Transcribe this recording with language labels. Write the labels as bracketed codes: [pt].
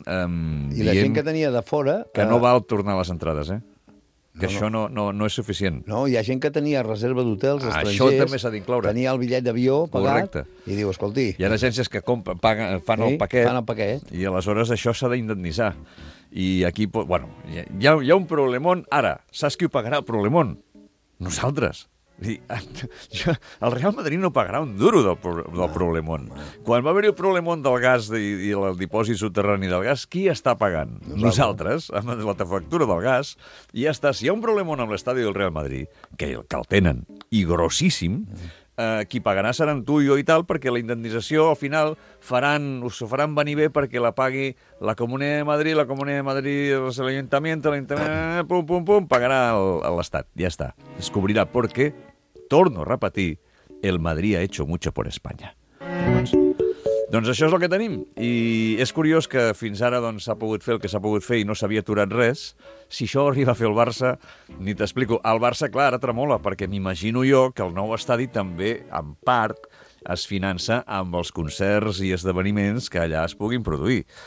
[ca] dient... I la gent que tenia de fora... Que no val tornar les entrades, eh? Que no, això no és suficient. No, hi ha gent que tenia reserva d'hotels estrangers... Això també s'ha d'incloure. Tenia el bitllet d'avió pagat... Correcte. I diu, escolti... Hi ha agències que fan el paquet... Fan el paquet. I aleshores això s'ha d'indemnitzar. I aquí, bueno, hi ha un problemón. Ara, saps qui ho pagarà, el problemón? Nosaltres. El Real Madrid no pagarà un duro del problemón. Quan va haver-hi el problemón del gas i el dipòsit subterrani del gas, qui està pagant? Nosaltres, amb la factura del gas. I ja està. Si hi ha un problemón amb l'estadi del Real Madrid, que el tenen, i grossíssim, qui pagarà seran tu i jo i tal, perquè la indemnització al final us ho faran venir bé perquè la pagui la Comunitat de Madrid, l'Ajuntament, pum, pagarà l'Estat. Ja està. Es cobrirà perquè, torno a repetir, [es] el Madrid ha hecho mucho por España. [ca] Doncs això és el que tenim. I és curiós que fins ara s'ha pogut fer el que s'ha pogut fer i no s'havia aturat res. Si això arriba a fer el Barça, ni t'explico. El Barça, clar, ara tremola, perquè m'imagino jo que el nou estadi també, en part, es finança amb els concerts i esdeveniments que allà es puguin produir.